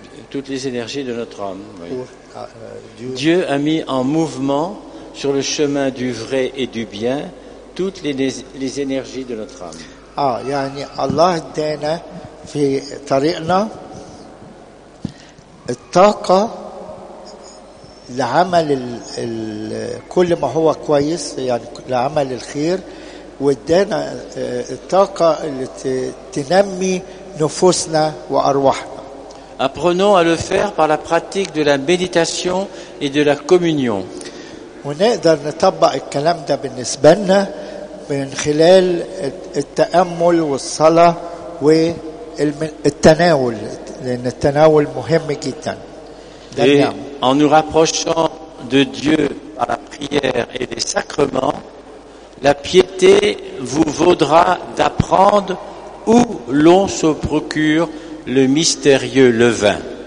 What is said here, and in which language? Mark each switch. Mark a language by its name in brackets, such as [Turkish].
[French] toutes les énergies de notre âme. Oui. Dieu a mis en mouvement sur le chemin du vrai et du bien toutes les énergies de notre âme. [Arabic] Ah, يعني الله ادانا في طريقنا الطاقة لعمل كل ما هو كويس يعني لعمل الخير وادانا الطاقة اللي تنمي نفوسنا وأرواحنا. [French] Apprenons à le faire par la pratique de la méditation et de la communion. [Arabic] ونقدر نطبق الكلام ده بالنسبة لنا من خلال التأمل والصلاة والتناول لأن التناول مهم جدا. [French] Et en nous rapprochant de Dieu par la prière et les sacrements, la piété vous vaudra d'apprendre où l'on se procure le mystérieux levain.